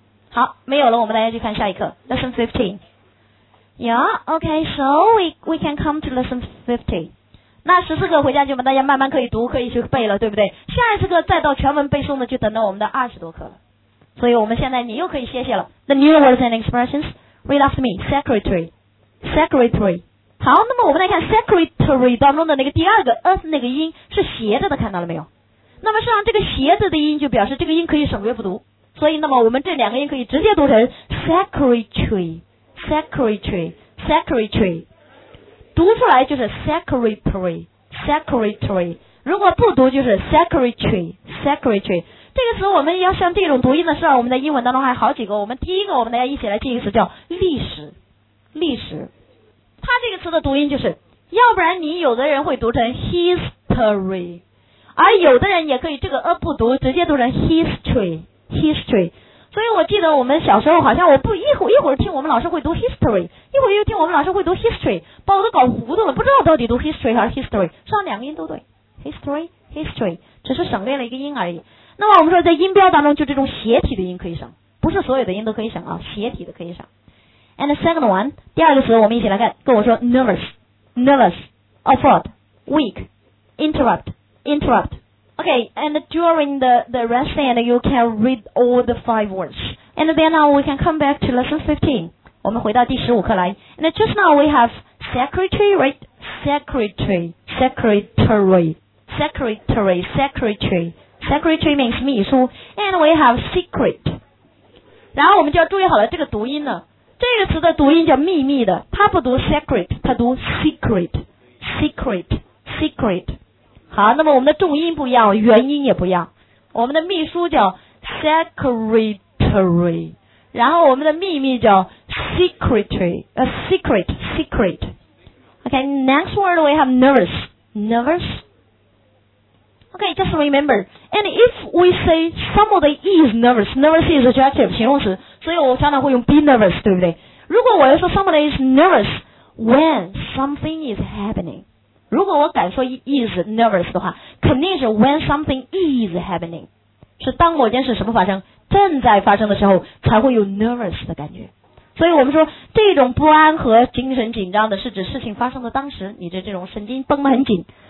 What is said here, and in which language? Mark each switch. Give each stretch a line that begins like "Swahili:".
Chinese: 好，没有了，我们大家去看下一课 Lesson 15。
English: Yeah, OK, so we can come to Lesson 15。
Chinese: 那十四课回家就大家慢慢可以读，可以去背了，对不对？下一次课再到全文背诵的就等到我们的二十多课了。所以我们现在你又可以歇歇了。
English: The new words and expressions, read after me, secretary, secretary.
Chinese: 好，那么我们来看 secretary 当中的那个第二个 s 那个音是斜着的，看到了没有？那么实际上这个斜着的音就表示这个音可以省略不读，所以那么我们这两个音可以直接读成 secretary, secretary, secretary。读出来就是 secretary, secretary, 如果不读就是 secretary, secretary。这个词我们要像这种读音的事儿，我们在英文当中还有好几个，我们第一个我们大家一起来记一个词叫历史，历史。它这个词的读音就是，要不然你有的人会读成 history, 而有的人也可以这个不读，直接读成 history, history。所以我记得我们小时候好像我不一会儿听我们老师会读 history, 一会儿又听我们老师会读 history, 把我都搞糊涂了，不知道到底读 history 还是 history, 上两个音都对 history, history, 只是省略了一个音而已。那么我们说在音标当中就这种斜体的音可以省，不是所有的音都可以省啊，斜体的可以省。
English: And the second one,
Chinese: 第二个词我们一起来看，跟我说
English: nervous, nervous, afraid, weak, interrupt, interrupt。 Okay, and during the rest end, you can read all the five words. And then now we can come back to lesson 15.
Chinese: 我们回到第十五课来。
English: And just now we have secretary, right? Secretary, secretary, secretary, secretary. Secretary means 秘书。 And we have secret.
Chinese: 然后我们就要注意好了这个读音呢。这个词的读音叫秘密的。它不读 secret, 它读 secret, secret, secret. 好，那么我们的重音不一样，元音也不一样。我们的秘书叫 secretary, 然后我们的秘密叫 secret, secret.
English: Okay, next word we have nervous, nervous. Okay, just remember, and if we say somebody is nervous, nervous is adjective,
Chinese: 形容词，所以我常常会用
English: be nervous,
Chinese: 对不对？如果我要说
English: somebody is nervous, when something is happening.
Chinese: 如果我敢说 is nervous 的话，肯定是
English: when something is happening，
Chinese: 是当某件事什么发生，正在发生的时候才会有 nervous 的感觉。所以我们说这种不安和精神紧张的是指事情发生的当时你的这种神经绷得很紧。